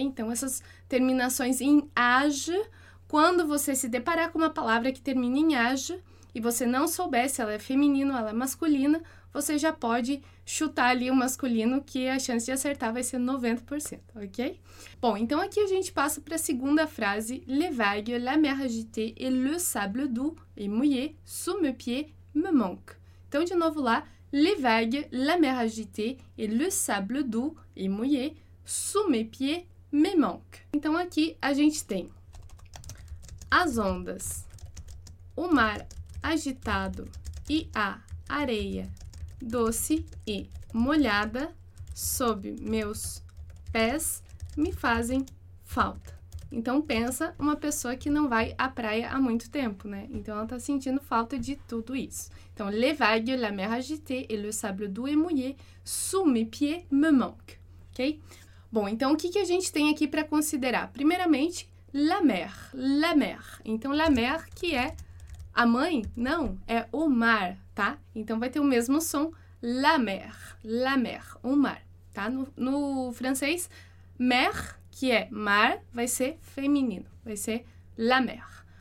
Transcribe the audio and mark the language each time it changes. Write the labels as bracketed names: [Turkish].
[Portuguese] Então, essas terminações em age, quando você se deparar com uma palavra que termina em age e você não souber se ela é feminina ou ela é masculina, você já pode chutar ali o masculino, que a chance de acertar vai ser 90%, ok? Bom, então aqui a gente passa para a segunda frase. [French] Les vagues, la mer agitée et le sable doux et mouillé sous mes pieds me manquent. [Portuguese] Então, de novo lá. [French] Les vagues, la mer agitée et le sable doux et mouillé sous mes pieds me manquent. [Portuguese] Então, aqui a gente tem as ondas, o mar agitado e a areia doce e molhada sob meus pés me fazem falta. Então pensa uma pessoa que não vai à praia há muito tempo, né? Então ela tá sentindo falta de tudo isso. Então, [French] les vagues, la mer agitée et le sable doux et mouillé sous mes pieds me manquent. Ok? [Portuguese] Bom, então o que que a gente tem aqui para considerar? Primeiramente, [French] la mer, la mer. [Portuguese] Então, la mer que é a mãe? Não, é o mar, tá? Então vai ter o mesmo som, la mer, o mar, tá? No francês, mer, que é mar, vai ser feminino, vai ser la mer.